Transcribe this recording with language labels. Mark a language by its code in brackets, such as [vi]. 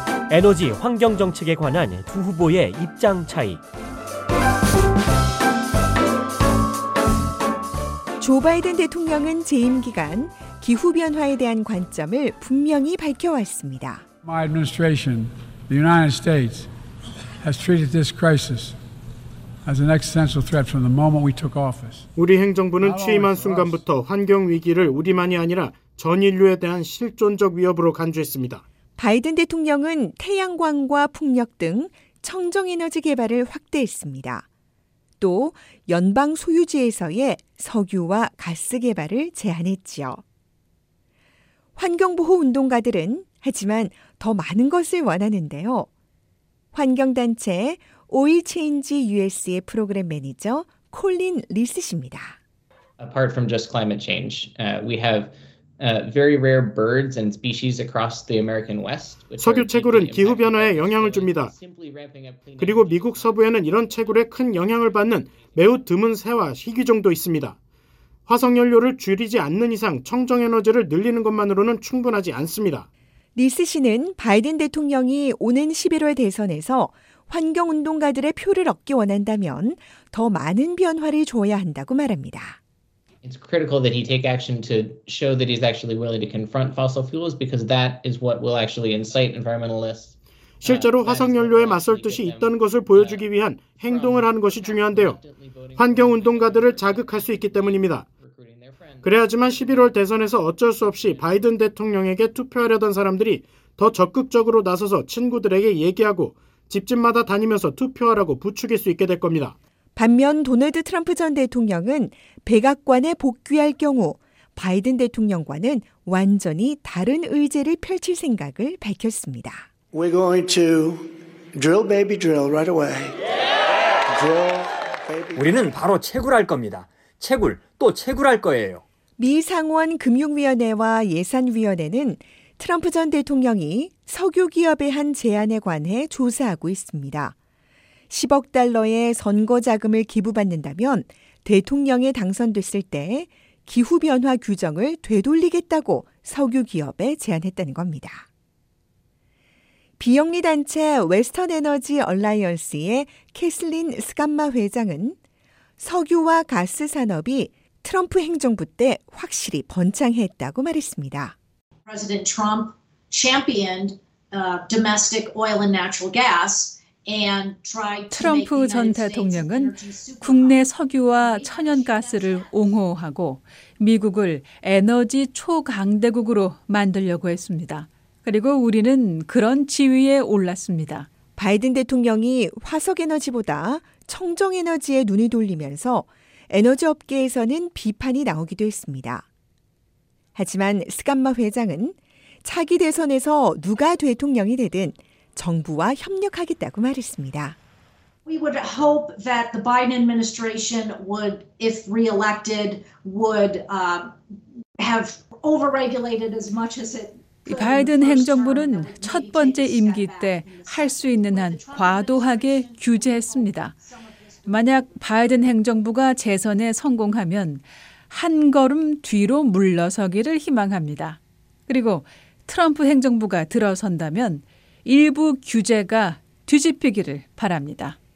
[ko] 에너지 환경정책에 관한 두 후보의 입장 차이. 조 바이든 대통령은 재임 기간 기후변화에 대한 관점을 분명히 밝혀왔습니다. [en] My administration, the United States, has treated this crisis as an existential threat from the moment we took office. [ko] 우리 행정부는 취임한 순간부터 환경 위기를 우리만이 아니라 전 인류에 대한 실존적 위협으로 간주했습니다. 바이든 대통령은 태양광과 풍력 등 청정에너지 개발을 확대했습니다. 또 연방 소유지에서의 석유와 가스 개발을 제한했지요. 환경보호 운동가들은 하지만 더 많은 것을 원하는데요. 환경단체 Oil Change US의 프로그램 매니저 콜린 리스 씨입니다. [en] Apart from just climate change, we have very rare birds and species across the American West. [ko] 석유 채굴은 기후 변화에 영향을 줍니다. 그리고 미국 서부에는 이런 채굴에 큰 영향을 받는 매우 드문 새와 희귀종도 있습니다. 화석 연료를 줄이지 않는 이상 청정 에너지를 늘리는 것만으로는 충분하지 않습니다. 리스 씨는 바이든 대통령이 오는 11월 대선에서 환경 운동가들의 표를 얻기 원한다면 더 많은 변화를 줘야 한다고 말합니다. [en] It's critical that he take action to show that he's actually willing to confront fossil fuels because that is what will actually incite environmentalists. [ko] 실제로 화석연료에 맞설 뜻이 있다는 것을 보여주기 위한 행동을 하는 것이 중요한데요. 환경운동가들을 자극할 수 있기 때문입니다. 그래야지만 11월 대선에서 어쩔 수 없이 바이든 대통령에게 투표하려던 사람들이 더 적극적으로 나서서 친구들에게 얘기하고 집집마다 다니면서 투표하라고 부추길 수 있게 될 겁니다. 반면 도널드 트럼프 전 대통령은 백악관에 복귀할 경우 바이든 대통령과는 완전히 다른 의제를 펼칠 생각을 밝혔습니다. [en] We're going to drill baby drill right away. Drill baby. [ko] 우리는 바로 채굴할 겁니다. 채굴 또 채굴할 거예요. 미 상원 금융위원회와 예산위원회는 트럼프 전 대통령이 석유 기업에 한 제안에 관해 조사하고 있습니다. 10억 달러의 선거 자금을 기부받는다면 대통령에 당선됐을 때 기후변화 규정을 되돌리겠다고 석유 기업에 제안했다는 겁니다. 비영리단체 웨스턴 에너지 얼라이언스의 캐슬린 스감마 회장은 석유와 가스 산업이 트럼프 행정부 때 확실히 번창했다고 말했습니다. [en] President Trump championed domestic oil and natural gas. [ko] 트럼프 전 대통령은 국내 석유와 천연가스를 옹호하고 미국을 에너지 초강대국으로 만들려고 했습니다. 그리고 우리는 그런 지위에 올랐습니다. 바이든 대통령이 화석에너지보다 청정에너지에 눈을 돌리면서 에너지 업계에서는 비판이 나오기도 했습니다. 하지만 스감마 회장은 차기 대선에서 누가 대통령이 되든 정부와 협력하겠다고 말했습니다. [en] We would hope that the Biden administration would, if reelected, would have overregulated as much as it. [ko] 바이든 행정부는 첫 번째 임기 때 할 수 있는 한 과도하게 규제했습니다. 만약 바이든 행정부가 재선에 성공하면 한 걸음 뒤로 물러서기를 희망합니다. 그리고 트럼프 행정부가 들어선다면 일부 규제가 뒤집히기를 바랍니다.